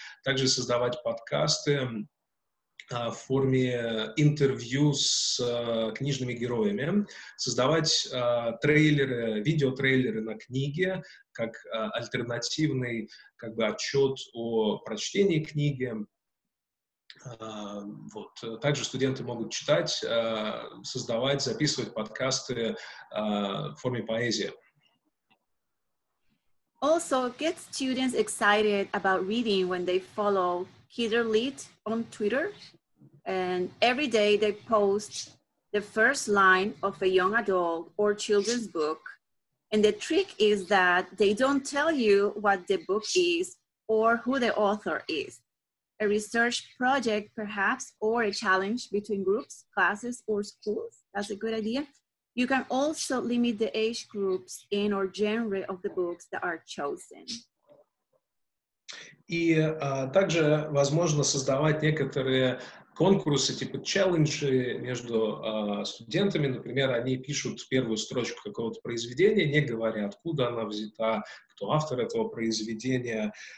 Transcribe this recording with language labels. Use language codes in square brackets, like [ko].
[ru] Также создавать подкасты в форме интервью с книжными героями, создавать трейлеры, видеотрейлеры на книге, как альтернативный как бы отчет о прочтении книги. Вот. Также студенты могут читать, создавать, записывать подкасты в форме поэзии. [en] Also, get students excited about reading when they follow Kidder Lit on Twitter. And every day they post the first line of a young adult or children's book. And the trick is that they don't tell you what the book is or who the author is. A research project, perhaps, or a challenge between groups, classes, or schools. That's a good idea. You can also limit the age groups in or genre of the books that are chosen. [ru] И также возможно создавать некоторые конкурсы, типа челленджи между студентами. Например, они пишут первую строчку какого-то произведения, не говоря, откуда она взята, кто автор этого произведения.